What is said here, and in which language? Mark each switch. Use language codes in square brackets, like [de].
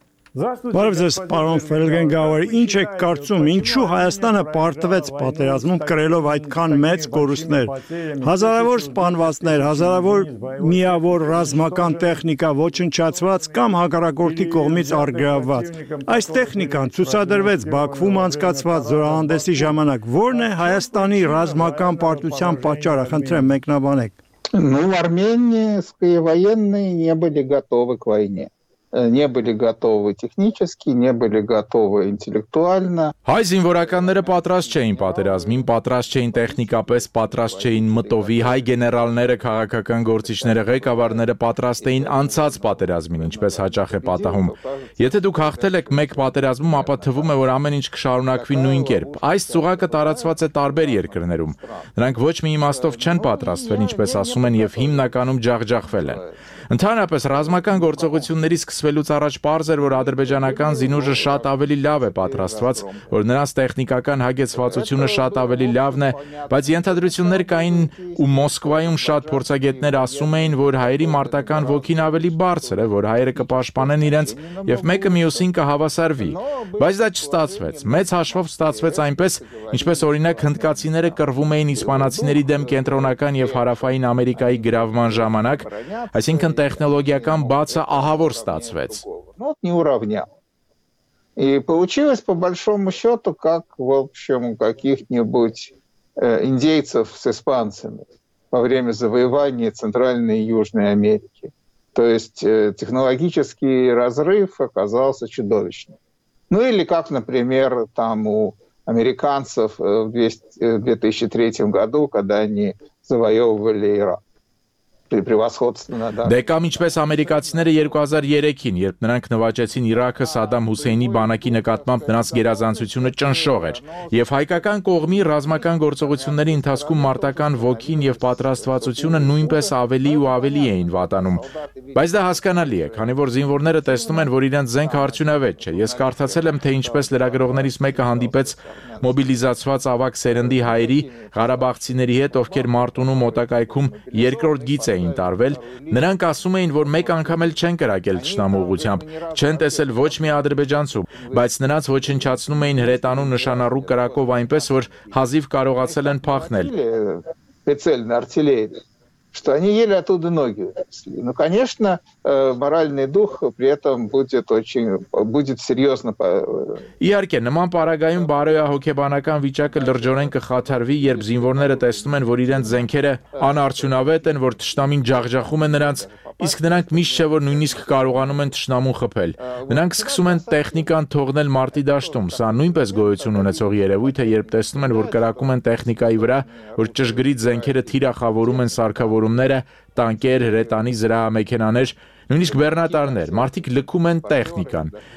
[hy] Բարև ձեզ, պարոն Ֆելգենգաուեր, ինչ եք կարծում, ինչու Հայաստանը պարտվեց պատերազմում կրելով այդքան մեծ կորուստներ, հազարավոր սպանվածներ, հազարավոր միավոր ռազմական տեխնիկա ոչնչացված կամ հակառակորդի կողմից արգրավված, այս տեխնիկան ցուցադրվեց Բաքվում անցկացված զորահանդեսի ժամանակ, որն է Հայաստանի ռազմական պարտության պատճառը, խնդրեմ մեկնաբանեք։ [ru] Не были готовы технически, не были готовы интеллектуально. [hy] Հայ զինվորականները պատրաստ չէին պատերազմին, պատրաստ չէին տեխնիկապես, պատրաստ չէին մտովի, հայ գեներալները, քաղաքական գործիչները, ղեկավարները պատրաստ էին անցած պատերազմին, ինչպես հաճախ է պատահում։ Եթե դուք հաղթել եք մեկ պատերազմում, ապա թվում է, որ ամեն ինչ կշարունակվի նույն կերպ։ Այս ծուղակը տարածված է տարբեր երկրներում։ Նրանք ոչ մի իմաստով չեն պատրաստվել, ինչպես ասում են, եւ հիմնականում ջախջախվել են։ Ընդհանրապես ռազմական գործողությունների սկսվելուց առաջ պարզ էր, որ ադրբեջանական զինուժը շատ ավելի լավ է պատրաստված, որ նրանց տեխնիկական հագեցվածությունը շատ ավելի լավն է, բայց ենթադրություններ կային ու Մոսկվայում շատ փորձագետներ ասում էին, որ հայերի մարտական ոգին ավելի բարձր է, որ հայերը կպաշտպանեն իրենց եւ մեկը մյուսին կհավասարվի, բայց դա չստացվեց։ Մեծ հաշվով ստացվեց այնպես, ինչպես օրինակ հնդկացիները կռվում էին իսպանացիների դեմ կենտրոնական եւ հարավային Ամերիկայի գրավման ժամանակ, այսինքն տեխնոլոգիական բացը ահավոր ստացվեց։ [ru] Вот не уравнял. И получилось по большому счёту как, в общем, каких-нибудь индейцев с испанцами во время завоевания Центральной и Южной Америки. То есть технологический разрыв оказался чудовищным. Ну или как, например, там у американцев в 2003 году, когда они завоевывали Ирак. [hy] Դե կամ ինչպես ամերիկացիները 2003-ին, երբ նրանք նվաճեցին Իրաքը Սադամ Հուսեյնի բանակի նկատմամբ, նրանց գերազանցությունը ճնշող էր, եւ հայկական կողմի ռազմական գործողությունների ընթացքում մարտական ոգին եւ պատրաստվածությունը նույնպես ավելի ու ավելի էին վատանում, բայց դա հասկանալի է, քանի որ զինվորները տեսնում են, որ իրենց զենքը արդյունավետ չէ։ Ես կարդացել եմ, թե ինչպես լրագրողներից մեկը հանդիպեց մոբիլիզացված ավակ սերնդի հայերի, Ղարաբաղցիների հետ, ովքեր Մարտունու մոտակայքում երկրորդ գիծ էին տարվել, նրանք ասում էին, որ մեկ անգամ էլ չեն կրակել ճնամուղությամբ, չեն տեսել ոչ մի ադրբեջանցու, բայց նրանց ոչնչացնում էին հրետանու նշանառու կրակով այնպես, որ հազիվ կարողացել են փախնել։ [ru] Специально артиллерии, что они еле оттуда ноги унесли. Но, конечно, моральный дух при этом будет серьёзно. [hy] Իհարկե, նման պարագայում բարոյահոգեբանական վիճակը լրջորեն կխաթարվի, երբ զինվորները տեսնում են, որ իրենց զենքերը անարդյունավետ են, որ ճշտամին ջախջախում են նրանց, իսկ նրանք միշտ չէ, որ նույնիսկ կարողանում են ճշտամուն խփել։ Նրանք սկսում են տեխնիկան թողնել մարտի դաշտում, սա նույնպես գոյություն ունեցող երևույթ է, երբ տեսնում են, որ կրակում են տեխնիկայի վրա, որ ճշգրիտ զենքերը թիրախավորում են սարքավորումները, տանկեր, հրետանի զրահամեքենաներ, նույնիսկ բեռնատարներ, մարդիկ լքում են տեխնիկան։